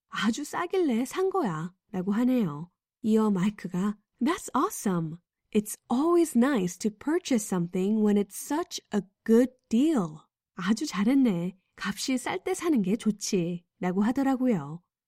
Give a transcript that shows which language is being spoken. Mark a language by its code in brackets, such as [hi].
[ko] 아주 싸길래 산 거야, 라고 하네요. 이어 마이크가, [en] That's awesome. It's always nice to purchase something when it's such a good deal. [ko] 아주 잘했네. 값이 쌀 때 사는 게 좋지, 라고 하더라고요.